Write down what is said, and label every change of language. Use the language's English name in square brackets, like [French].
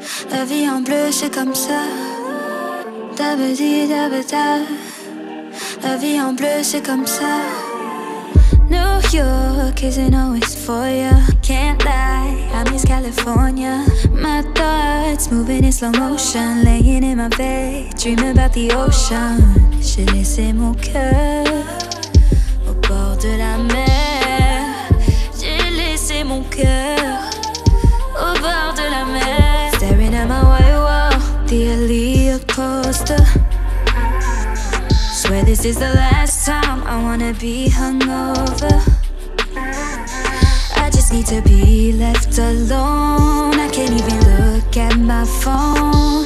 [French] La vie en bleu, c'est comme ça. Da-ba-di, da-ba-da. La vie en bleu, c'est comme ça. [English] New York isn't always for ya. Can't lie, I miss California. My thoughts moving in slow motion. Laying in my bed, dreaming about the ocean. [French] J'ai laissé mon cœur au bord de la mer. J'ai laissé mon cœur au bord de la mer. [English] Staring at my white wall, the Aaliyah poster. Swear this is the last time I wanna be hungover. I just need to be left alone. I can't even look at my phone.